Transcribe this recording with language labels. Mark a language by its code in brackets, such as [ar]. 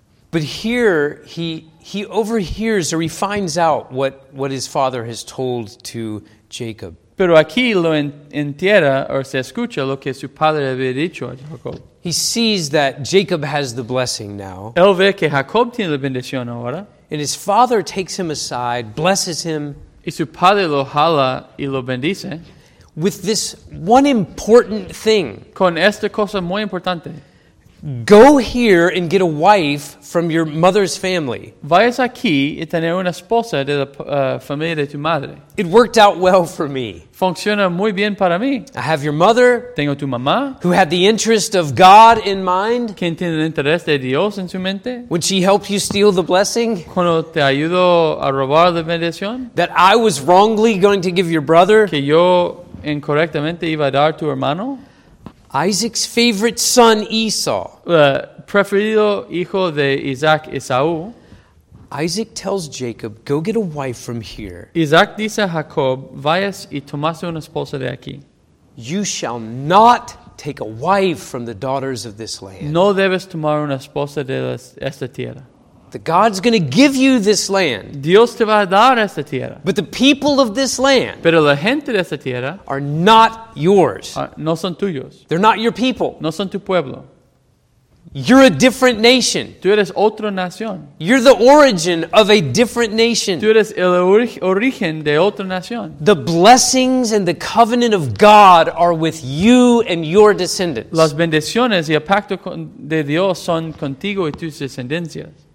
[en] But here he overhears or he finds out what his father has told to Jacob. [es] Pero aquí lo entera o se escucha lo que su padre había dicho a Jacob. [en] He sees that Jacob has the blessing now. [es] Él ve que Jacob tiene la bendición ahora. [en] And his father takes him aside, blesses him. [es] Y su padre lo jala y lo bendice. [en] With this one important thing. [es] Con esta cosa muy importante. [en] Go here and get a wife from your mother's family. [es] Vayas aquí y tener una esposa de la familia de tu madre. [en] It worked out well for me. [es] Funciona muy bien para mí. [en] I have your mother. [es] Tengo tu mamá. [en] Who had the interest of God in mind. [es] Quien tiene el interés de Dios en su mente. [en] When she helped you steal the blessing. [es] Cuando te ayudó a robar la bendición. [en] That I was wrongly going to give your brother. [es] Que yo incorrectamente iba a dar tu hermano. [en] Isaac's favorite son, Esau. [es] Preferido hijo de Isaac, Esaú. [en] Isaac tells Jacob, go get a wife from here. [es] Isaac dice a Jacob, vayas y tomas una esposa de aquí. [en] You shall not take a wife from the daughters of this land. [es] No debes tomar una esposa de esta tierra. [en] The God's going to give you this land. [es] Dios te va a dar esta tierra. [en] But the people of this land. [es] Pero la gente de esta tierra. [en] Are not yours. [es] No son tuyos. [en] They're not your people. [es] No son tu pueblo. [en] You're a different nation. [es] Tú eres otra nación. [en] You're the origin of a different nation. [es] Tú eres el origen de otra nación. [en] The blessings and the covenant of God are with you and your descendants. [es] Las bendiciones y el pacto de Dios son contigo y tus descendencias.